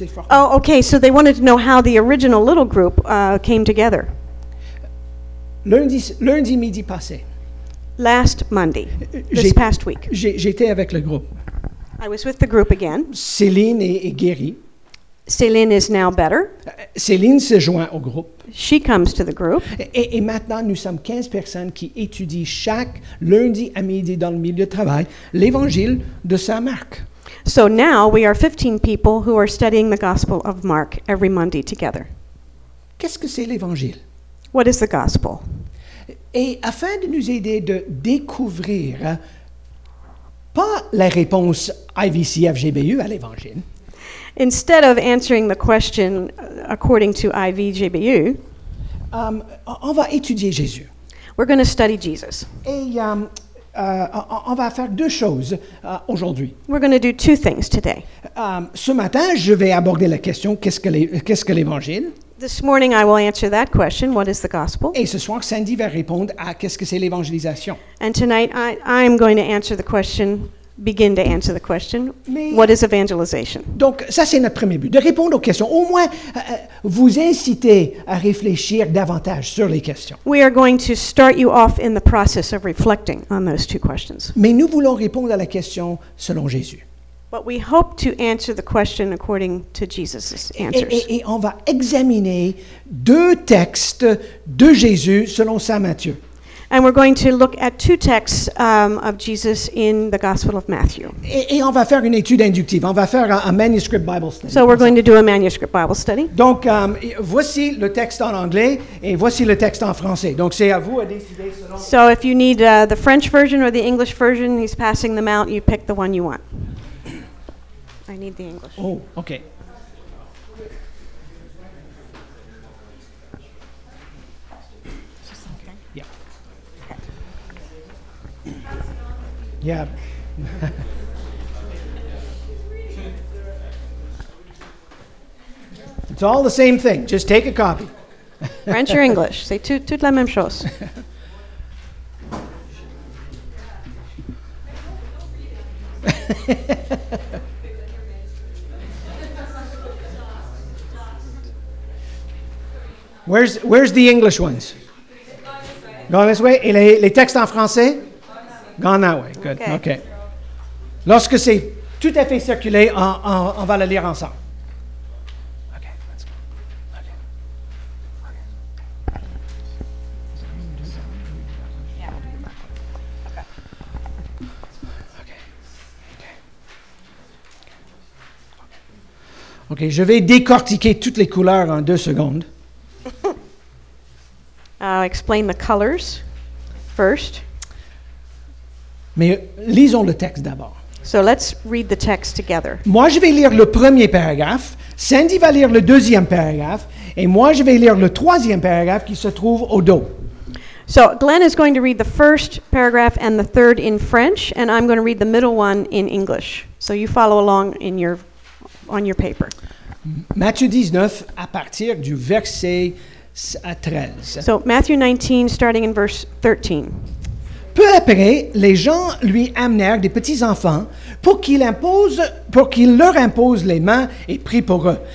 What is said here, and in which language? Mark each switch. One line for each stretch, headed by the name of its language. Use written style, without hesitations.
English: Oh, okay, so they wanted to know how the original little group came together.
French: Lundi midi passé.
English: Last Monday, past week.
French: J'étais avec le groupe.
English: I was with the group again.
French: Céline est guérie.
English: Céline is now better.
French: Céline se joint au groupe.
English: She comes to the group.
French: Et maintenant, nous sommes 15 personnes qui étudient chaque lundi à midi dans le milieu de travail l'évangile de Saint-Marc.
English: So now we are 15 people who are studying the gospel of Mark every Monday together.
French: Qu'est-ce que c'est l'évangile?
English: What is the gospel?
French: Et afin de nous aider de découvrir pas la réponse IVC FGBU à l'évangile.
English: Instead of answering the question according to IVJBU,
French: on va étudier Jésus.
English: We're going to study Jesus.
French: Et on va faire deux choses aujourd'hui.
English: We're going to do two things today.
French: Ce matin, je vais aborder la question qu'est-ce que l'évangile?
English: This morning, I will answer that question, what is the gospel?
French: Et ce soir, Sandy va répondre à qu'est-ce que c'est l'évangélisation?
English: And tonight, I'm going to answer the question. Begin to answer the question. Mais, what is evangelization?
French: Donc, ça c'est notre premier but, de répondre aux questions. Au moins, vous inciter à réfléchir davantage sur les questions.
English: We are going to start you off in the process of reflecting on those two questions.
French: Mais nous voulons répondre à la question selon Jésus.
English: But we hope to answer the question according to Jesus' answers.
French: Et on va examiner deux textes de Jésus selon Saint Matthieu.
English: And we're going to look at two texts of Jesus in the Gospel of Matthew.
French: Et on va faire une étude inductive. On va faire un manuscript Bible study.
English: So we're going to do a manuscript Bible study.
French: Donc, voici le texte en anglais et voici le texte en français. Donc, c'est à vous à décider selon.
English: So if you need the French version or the English version, he's passing them out. You pick the one you want. I need the English. Oh, okay. Yeah. It's all the same thing. Just take a copy. French or English?
French: C'est toute la même chose.
English: Where's the English ones? Gone this way?
French: Et les textes en français?
English: Gone that way. Good. Okay.
French: Lorsque c'est tout à fait circulé, on va le lire ensemble.
English: Okay. Let's go. Okay. Okay.
French: Je vais décortiquer toutes les couleurs en 2 secondes.
English: I'll explain the colors first.
French: Mais lisons le texte d'abord.
English: So let's read the text together.
French: Moi, je vais lire le premier paragraphe. Sandy va lire le deuxième paragraphe. Et moi, je vais lire le troisième paragraphe qui se trouve au dos.
English: So Glenn is going to read the first paragraph and the third in French, and I'm going to read the middle one in English. So you follow along on your paper.
French: Matthieu 19 à partir du verset 13.
English: So Matthew 19 starting in verse 13.
French: Peu après, les gens lui amenèrent des petits enfants pour qu'il leur impose les mains et prie pour eux.